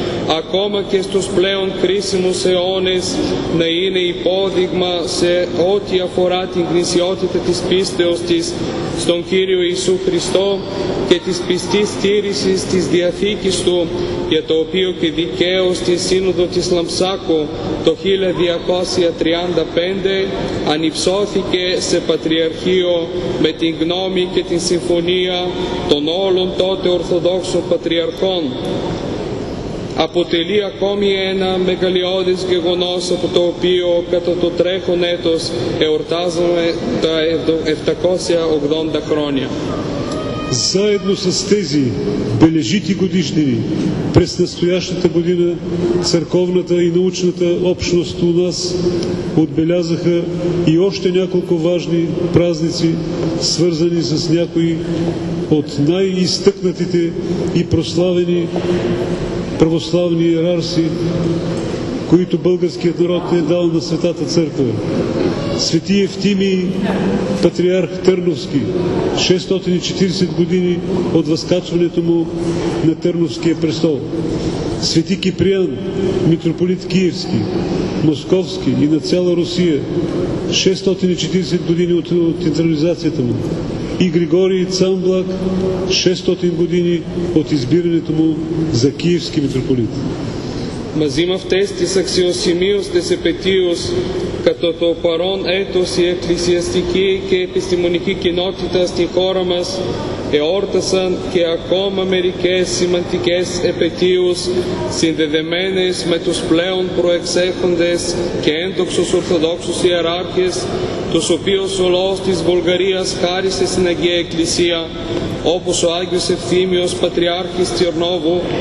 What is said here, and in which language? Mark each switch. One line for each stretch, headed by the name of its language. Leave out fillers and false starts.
Greek: ακόμα και στους πλέον κρίσιμους αιώνες, να είναι υπόδειγμα σε ό,τι αφορά την γνησιότητα της πίστεως της στον Κύριο Ιησού Χριστό και της πιστής στήρησης της Διαθήκης Του, για το οποίο και δικαίως στη Σύνοδο της Λαμψάκου το 1235 ανυψώθηκε σε Πατριαρχείο με την γνώμη και την συμφωνία των όλων τότε Ορθοδόξων Πατριαρχών. Αποτελεί ακόμη ένα μεγαλειώδης γεγονός από το οποίο κατά το τρέχον έτος εορτάζουμε τα 780 χρόνια.
Bulgarian: Заедно с тези бележити годишнини през настоящата година църковната и научната общност у нас отбелязаха и още няколко важни празници, свързани с някои от най-изтъкнатите и прославени православни иерархи, които българският народ е дал на Светата Църква. Свети Евтимий, патриарх Търновски, 640 години от възкачването му на Търновския престол. Свети Киприан, митрополит Киевски, Московски и на цяла Русия, 640 години от централизацията му. И Григорий Цамблак, 600 години от избирането му за киевски митрополит.
Greek: Μαζί με αυτές τις αξιοσημείωστες επαιτίους, κατά το παρόν έτος η εκκλησιαστική και επιστημονική κοινότητα στη χώρα μας εόρτασαν και ακόμα μερικές σημαντικές επαιτίους συνδεδεμένες με τους πλέον προεξέχοντες και ένδοξους Ορθοδόξους Ιεράρχες, τους οποίους ο λαός της Βουλγαρίας χάρισε στην Αγία Εκκλησία, όπως ο Άγιος Ευθύμιος Πατριάρχης Τυρνόβου,